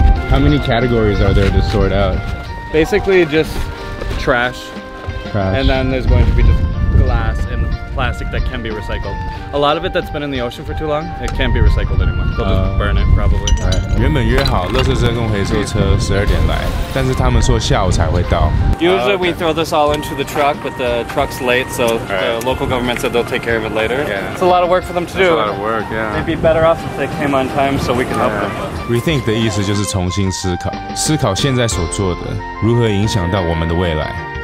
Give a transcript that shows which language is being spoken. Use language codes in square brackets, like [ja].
[en] How many categories are there to sort out? Basically just trash. And then there's going to be just glass and plastic that can be recycled. A lot of it that's been in the ocean for too long, it can't be recycled anymore. They'll just burn it probably. Right. [zh] 原本约好垃圾车跟回收车12点来，但是他们说下午才会到。 [en] Usually we throw this all into the truck, but the truck's late, so the local government said they'll take care of it later. Yeah. It's a lot of work for them to do. It's a lot of work, yeah. They'd be better off if they came on time so we can help them. [zh] Rethink 的意思就是重新思考，思考现在所做的如何影响到我们的未来。